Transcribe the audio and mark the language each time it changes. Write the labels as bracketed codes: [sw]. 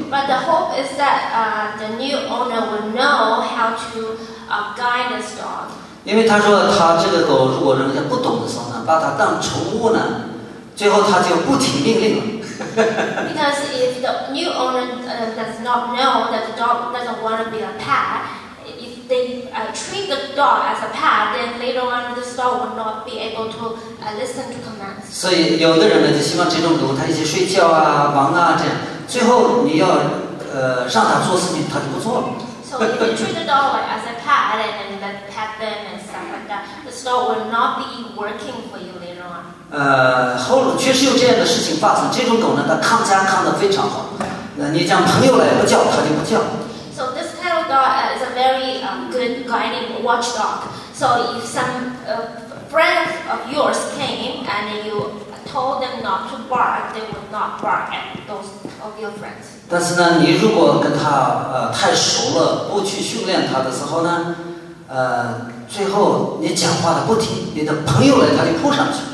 [en] But the hope is that the new owner will know how to guide this dog. [zh] 因为他说他这个狗如果人家不懂的时候呢，把它当宠物呢，最后他就不听命令了。 [en] Because if the new owner does not know that the dog doesn't want to be a pet, if they treat the dog as a pet, then later on this dog will not be able to listen to commands. [zh] 所以有的人呢就希望这种狗他一起睡觉啊忙啊这样，最后你要让他做事情他就不做了。 [en] So if you treat the dog as a pet and then let pet them and stuff like that, the dog will not be working for you later on. [zh] 后来确实有这样的事情发生，这种狗呢，它抗家抗得非常好。你讲朋友来不叫，它就不叫。 [en] So this kind of dog is a very good guiding watchdog. So if some friend of yours came and you told them not to bark, they would not bark at those of your friends. [zh] 但是呢你如果跟他太熟了不去训练他的时候呢最后你讲话的不停你的朋友来他就扑上去。